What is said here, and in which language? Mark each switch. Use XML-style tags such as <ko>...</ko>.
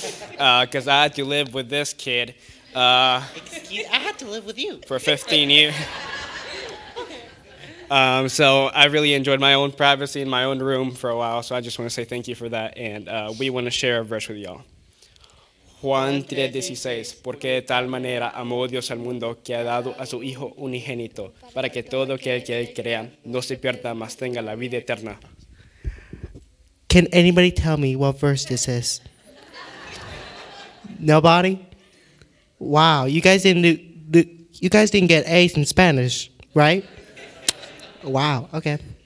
<en>Because I had to live with this kid. I had to live with you. For 15 years. So I really enjoyed my own privacy in my own room for a while. So I just want to say thank you for that. And we want to share a verse with y'all.</en> <es>Juan 3:16, porque de tal manera amó Dios al mundo que ha dado a su Hijo unigénito para que todo aquel que crea no se pierda, mas tenga la vida eterna.</es> <en>Can anybody tell me what verse this is? Nobody? Wow, you guys didn't get A's in Spanish, right? Wow, okay.</en>